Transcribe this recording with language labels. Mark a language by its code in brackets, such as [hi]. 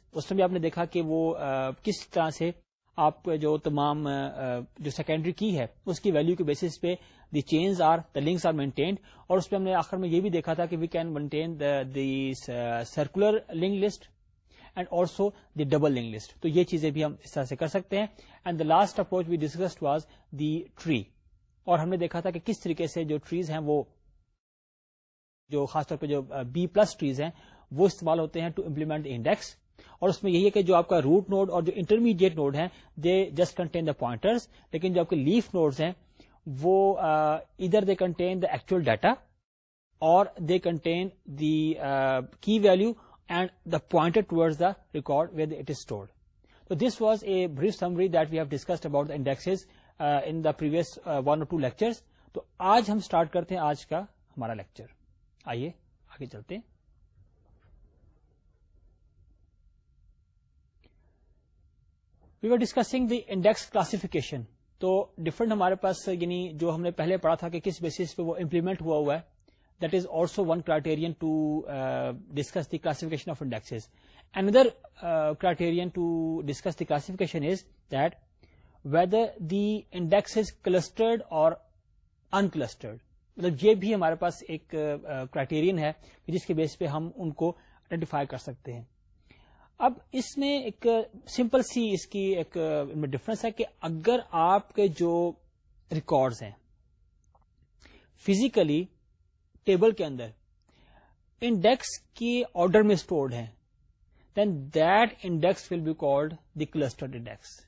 [ur] اس میں بھی آپ نے دیکھا کہ وہ کس طرح سے آپ جو تمام جو سیکنڈری کی ہے اس کی ویلیو کے بیسس پہ [en] The chains are the links are maintained. [ur] اور اس پہ ہم نے آخر میں یہ بھی دیکھا تھا کہ [en] we can maintain the circular link list [ur] and also the double link list. تو یہ چیزیں بھی ہم اس طرح سے کر سکتے ہیں. [en] And the last approach we discussed was the tree. [ur] اور ہم نے دیکھا تھا کہ کس طریقے سے جو ٹریز ہیں وہ جو خاص طور پہ جو بی پلس ٹریز ہیں وہ استعمال ہوتے ہیں [en] To implement index. [ur] اور اس میں یہی ہے کہ جو آپ کا روٹ نوڈ اور جو انٹرمیڈیٹ نوڈ ہیں [en] they just contain the pointers, [ur] لیکن جو آپ کے لیف نوڈز ہیں وہ ادھر [en] They contain the actual data اور they contain the key value and the pointer towards the record where it is stored. تو this was a brief summary that we have discussed about the indexes in the previous one or two lectures. [ur] تو آج ہم start کرتے ہیں آج کا ہمارا لیکچر. آئیے آگے چلتے ہیں. [en] We were discussing the index classification. [ur] تو different ہمارے پاس یعنی جو ہم نے پہلے پڑھا تھا کہ کس بیسس پہ وہ implement ہوا ہوا ہے, [en] that is also one criterion to discuss the classification of indexes. Another criterion to discuss the classification is that whether the index is clustered or unclustered. [ur] مطلب یہ بھی ہمارے پاس ایک criterion ہے جس کے بیس پہ ہم ان کو identify کر سکتے ہیں. اب اس میں ایک سمپل سی اس کی ایک ڈفرنس ہے کہ اگر آپ کے جو ریکارڈز ہیں فزیکلی ٹیبل کے اندر انڈیکس کی آرڈر میں سٹورڈ ہیں [en] Then that index will be called the clustered index.